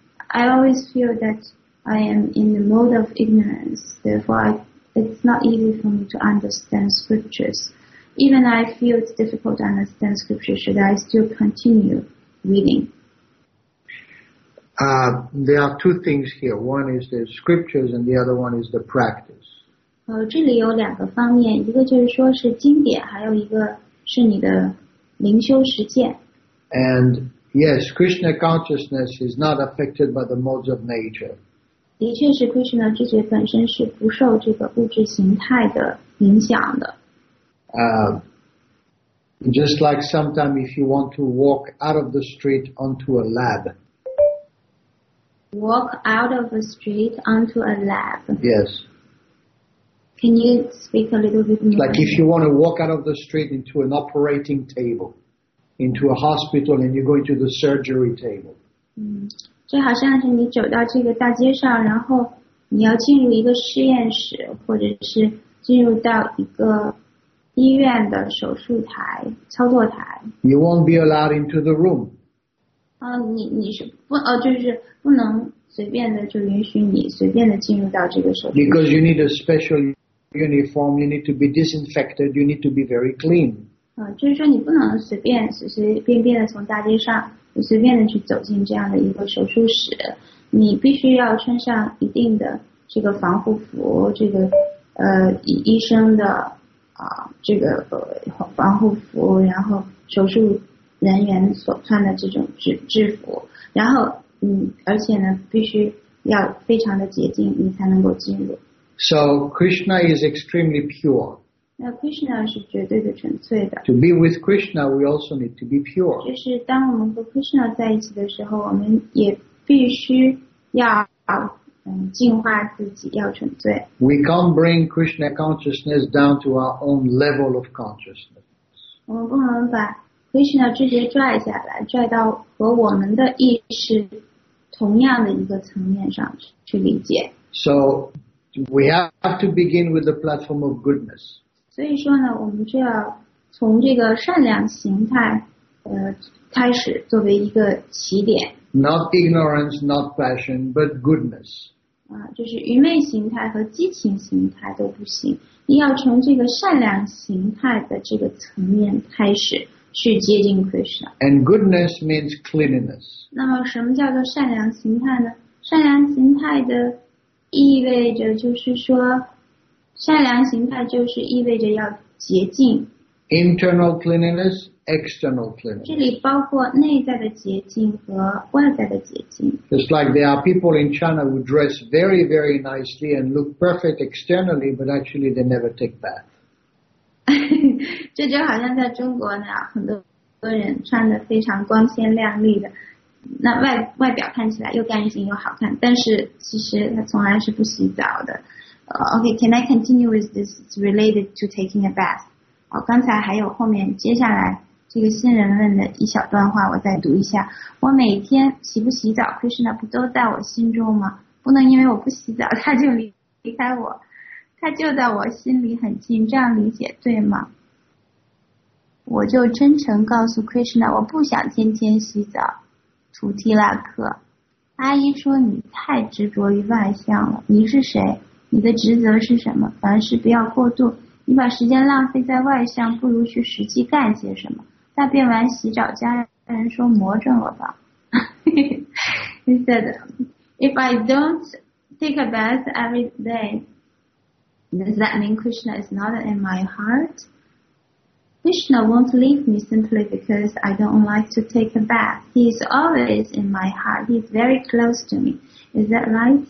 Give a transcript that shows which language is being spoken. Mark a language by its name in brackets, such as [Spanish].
[English] I always feel that. I am in the mode of ignorance, therefore it's not easy for me to understand scriptures. Even I feel it's difficult to understand scriptures, should I still continue reading? There are two things here. One is the scriptures and the other one is the practice. [Chinese] 这里有两个方面，一个就是说是经典，还有一个是你的灵修实践。 [English] And yes, Krishna consciousness is not affected by the modes of nature. [Chinese] 的确是 Krishna 知觉本身是不受这个物质形态的影响的。 [English] Just like sometimes if you want to walk out of the street onto a lab. Walk out of the street onto a lab. Yes. Can you speak a little bit more? Like if you want to walk out of the street into an operating table. into a hospital and you go into the surgery table. [Chinese] 就好像是你走到这个大街上，然后你要进入一个实验室，或者是进入到一个医院的手术台、操作台。 [English] You won't be allowed into the room. [Chinese] 你是不就是不能随便的就允许你随便的进入到这个手术。 [English] Because you need a special uniform, you need to be disinfected, you need to be very clean. [Chinese] 就是说你不能随便的从大街上。随便的去走进这样的一个手术室，你必须要穿上一定的这个防护服，这个医生的这个防护服，然后手术人员所穿的这种制服，然后而且呢，必须要非常的洁净，你才能够进入。 [English] So Krishna is extremely pure. [Chinese] 那 Krishna 是绝对的纯粹的。 [English] To be with Krishna, we also need to be pure. [Chinese] 就是当我们和 Krishna 在一起的时候，我们也必须要净化自己，要纯粹。 [English] We can't bring Krishna consciousness down to our own level of consciousness. [Chinese] 我们不能把 Krishna 直接拽下来，拽到和我们的意识同样的一个层面上去理解。 [English] So we have to begin with the platform of goodness. [Chinese] 所以说呢，我们就要从这个善良形态，开始作为一个起点。 [English] Not ignorance, not passion, but goodness. [Chinese] 就是愚昧形态和激情形态都不行，你要从这个善良形态的这个层面开始去接近 Krishna. [English] And goodness means cleanliness. [Chinese] 那么什么叫做善良形态呢？善良形态的意味着就是说。善良形态就是意味着要洁净。 [English] Internal cleanliness, external cleanliness. [Chinese] 这里包括内在的洁净和外在的洁净。 [English] Just like there are people in China who dress very, very nicely and look perfect externally, but actually they never take bath. [Chinese] 这就好像在中国呢，很多人穿得非常光鲜亮丽的，那外表看起来又干净又好看，但是其实他从来是不洗澡的。 [English] Okay, can I continue with this? It's related to taking a bath. [Chinese] 刚才还有后面接下来这个新人问的一小段话，我再读一下。我每天洗不洗澡 ，Krishna 不都在我心中吗？不能因为我不洗澡，他就离开我，他就在我心里很近，这样理解对吗？我就真诚告诉 Krishna， 我不想天天洗澡，菩提拉克。阿姨说你太执着于外相了，你是谁？你的职责是什么？凡事不要过度，你把时间浪费在外向，不如去实际干些什么。大便完洗澡，家人说魔怔了吧。 [English] He said, if I don't take a bath every day, does that mean Krishna is not in my heart? Krishna won't leave me simply because I don't like to take a bath. He is always in my heart. He is very close to me. Is that right?